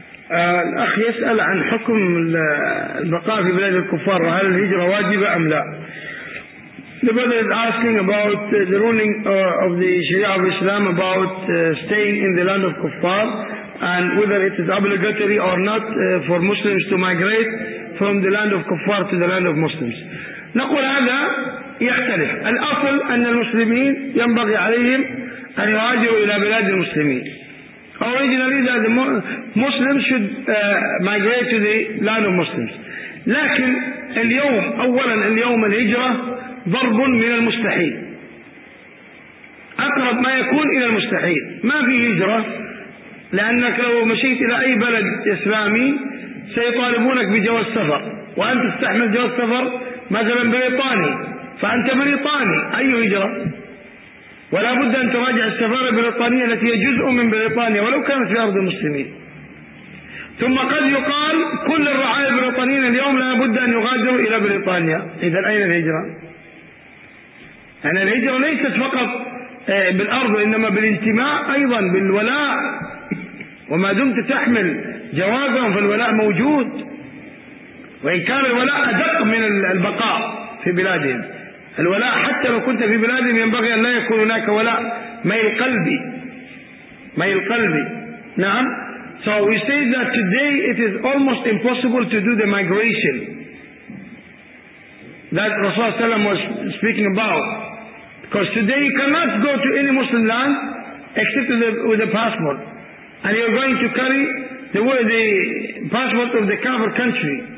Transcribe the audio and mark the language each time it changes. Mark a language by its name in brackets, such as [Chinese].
[Arabic] الأخ يسأل عن حكم البقاء في بلاد الكفار, هل الهجرة واجبة أم لا؟ [English] The brother is asking about the ruling of the Sharia of Islam about staying in the land of kuffar and whether it is obligatory or not for Muslims to migrate from the land of kuffar to the land of Muslims. [Arabic] نقول هذا يختلف. الأصل أن المسلمين ينبغي عليهم أن يهاجروا إلى بلاد المسلمين. [English] Originally that the Muslims should migrate to the land of Muslims. [Arabic] لكن اليوم أولا اليوم الهجرة ضرب من المستحيل, أقرب ما يكون إلى المستحيل. ما في هجرة, لأنك لو مشيت إلى أي بلد إسلامي سيطالبونك بجواز سفر, وأنت تستحمل جواز سفر مثلا بريطاني, فأنت بريطاني, أي هجرة؟ ولا بد أن تراجع السفارة البريطانية التي هي جزء من بريطانيا ولو كانت في أرض المسلمين. ثم قد يقال كل الرعايا البريطانيين اليوم لا بد أن يغادروا إلى بريطانيا, إذا أين الهجرة؟ يعني الهجرة ليست فقط بالأرض, إنما بالانتماء أيضا, بالولاء. وما دمت تحمل جوازهم فالولاء موجود, وإن كان الولاء أدق من البقاء في بلادهم. الولاء حتى لو كنت في بلادهم ينبغي أن لا يكون هناك ولاء, ميل قلبي, ميل قلبي. نعم. [English] So we say that today it is almost impossible to do the migration that Rasulullah صلى الله عليه وسلم was speaking about, because today you cannot go to any Muslim land except with a passport, and you're going to carry the passport of the Kafir country.